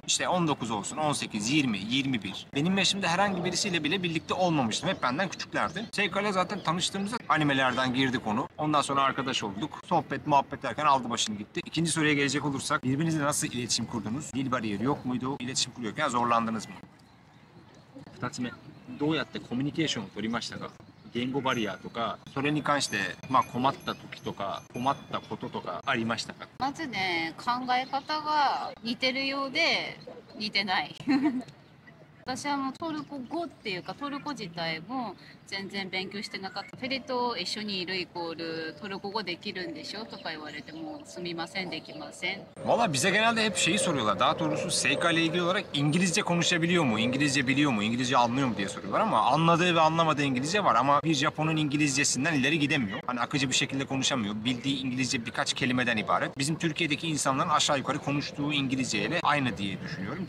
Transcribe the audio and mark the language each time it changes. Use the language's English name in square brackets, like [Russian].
[Turkish] İşte 19 olsun, 18, 20, 21. Benim yaşımda herhangi birisiyle bile birlikte olmamıştım. Hep benden küçüklerdi. Seyka'yla zaten tanıştığımızda animelerden girdi konu. Ondan sonra arkadaş olduk. Sohbet, muhabbet derken aldı başını gitti. İkinci soruya gelecek olursak, birbirinizle nasıl iletişim kurdunuz? Dil bariyeri yok muydu? İletişim kuruyorken zorlandınız mı? İkincisi, [Japanese] どうやってコミュニケーションを取りましたか？言語バリアとか、それに関して、まあ、困った時とか、困ったこととかありましたか？まずね、考え方が似てるようで似てない。私はもうトルコ語っていうか、トルコ自体も全然勉強してなかった。フェリと一緒にいるイコールトルコ語できるんでしょとか言われても、すみません、できません。 [Turkish] Vallahi bize genelde hep şeyi soruyorlar. Daha doğrusu Seyka ile ilgili olarak İngilizce konuşabiliyor mu, İngilizce biliyor mu, İngilizce anlıyor mu diye soruyorlar, ama anladığı ve anlamadığı İngilizce var, ama bir Japon'un İngilizcesinden ileri gidemiyor. Hani akıcı bir şekilde konuşamıyor. Bildiği İngilizce birkaç kelimeden ibaret. Bizim Türkiye'deki insanların aşağı yukarı konuştuğu İngilizce ile aynı diye düşünüyorum.